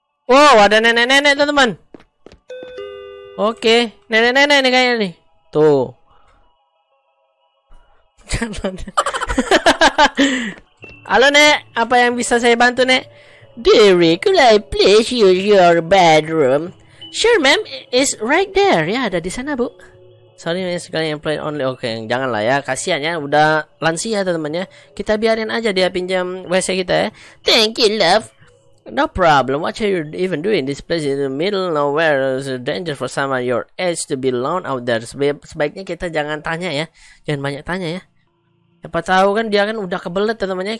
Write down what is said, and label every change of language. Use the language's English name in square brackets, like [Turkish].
[Indonesian] Oh, ada nenek-nenek teman-teman. Oke, nenek-nenek ini kayaknya nih. Tuh. Halo, Nek. Apa yang bisa saya bantu, Nek? [English] Dearie, could I please use your bedroom? Sure, ma'am. It's right there. [Indonesian] Ya, ada di sana, Bu. [English] Sorry, Miss. [Indonesian] Kalian yang [English] play only. [Indonesian] Oke, okay, jangan lah ya. Kasian ya. Udah lansia, teman-temannya. Kita biarin aja dia pinjam WC kita ya. [English] Thank you, love. No problem. What are you even doing? This place is in the middle of nowhere. It's a danger for someone your age to be alone out there. [Indonesian] Sebaiknya kita jangan tanya ya. Jangan banyak tanya ya. Siapa tahu kan dia kan udah kebelet ya temannya.